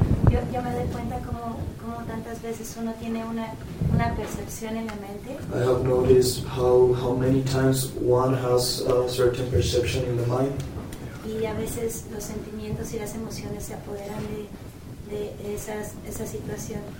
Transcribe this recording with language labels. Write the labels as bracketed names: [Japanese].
[Spanish] Yo me doy cuenta cómo tantas veces uno tiene una percepción en la mente. [English] I have noticed how many times one has a certain perception in the mind. [Spanish] Y a veces los sentimientos y las emociones se apoderan de esa situación.